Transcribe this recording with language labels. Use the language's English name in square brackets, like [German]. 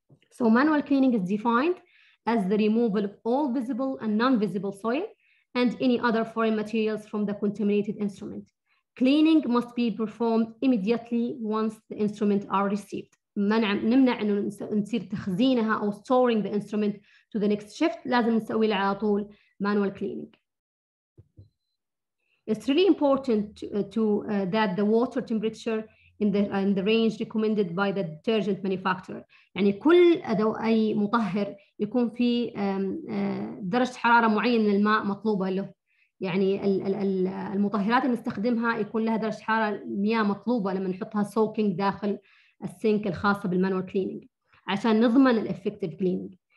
[English] So manual cleaning is defined as the removal of all visible and non-visible soil and any other foreign materials from the contaminated instrument. Cleaning must be performed immediately once the instrument are received. [Arabic] نمنع انه نصير تخزينها او [English] storing the instrument to the next shift. [Arabic] لازم نسوي لها على طول manual cleaning. [English] It's really important that the water temperature in the range recommended by the detergent manufacturer. [Arabic] يعني كل أدو أي مطهر يكون في درجة حرارة معينة من الماء مطلوبة له. يعني المطهرات اللي نستخدمها يكون لها درجة حرارة مياه مطلوبة لما نحطها soaking داخل السينك الخاصة بالmanual cleaning عشان نضمن الeffective cleaning.